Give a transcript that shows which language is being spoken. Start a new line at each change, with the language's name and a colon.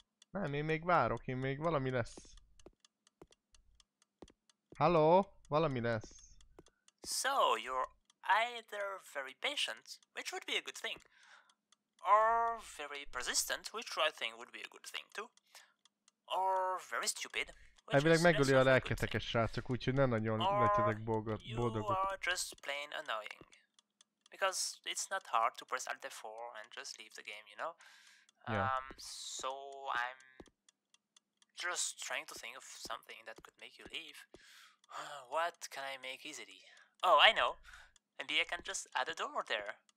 Hungarian: Nem, én még várok, én még valami lesz. Hello? Valami lesz.
English: So, you're either very patient, which would be a good thing. Or very persistent, which I think would be a good thing too. Or very stupid.
Hungarian: Elvileg megöli a lelketeket, srácok, úgyhogy ne nagyon legyetek boldogok.
English: Or you are just plain annoying. Because it's not hard to press Alt F4 and just leave the game, you know? Yeah. So I'm just trying to think of something that could make you leave. What can I make easily? Oh, I know. Maybe I can just add a door there.